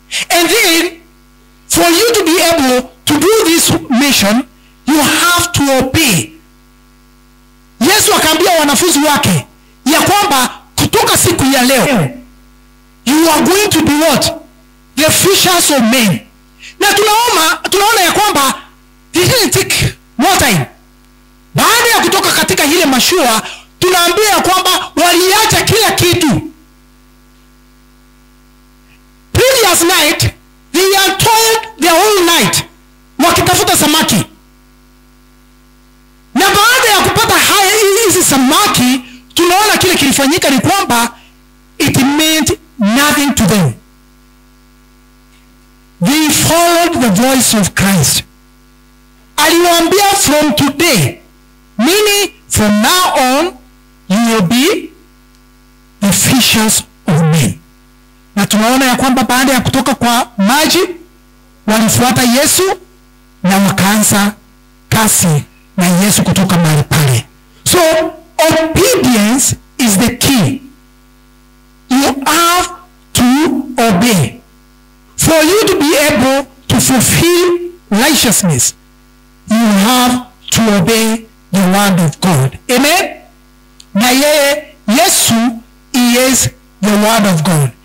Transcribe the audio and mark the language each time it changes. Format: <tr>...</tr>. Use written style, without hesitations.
<en>And then for you to be able to do this mission, you have to obey.</en> <sw>Yesu akaambia wanafunzi wake ya kwamba kutoka siku ya leo,</sw> <en>you are going to be what? The fishers of men.</en> <sw>Na tunaona ya kwamba</sw> <en>didn't take more time.</en> <sw>Baada ya kutoka katika hile mashua, tunaambia ya kwamba waliacha kila kitu.</sw> <en>Previous night, they are told the whole night</en> <sw>wakitafuta samaki. Na baada ya kupata hizi samaki, tunaona kile kilifanyika ni kwamba</sw> <en>it meant nothing to them. They followed the voice of Christ. Aliwaambia from today, meaning from now on, you will be the fishers of men.</en> <sw>Na tunaona ya kwamba baada ya kutoka kwa maji, walifuata Yesu na wakaanza kasi na Yesu kutoka mahali pale.</sw> <en>So, obedience is the key. You have to obey. For you to be able to fulfill righteousness, you have to obey the word of God. Amen?</en> <sw>Na yeye,</sw> <en>Yesu, he is the word of God.</en>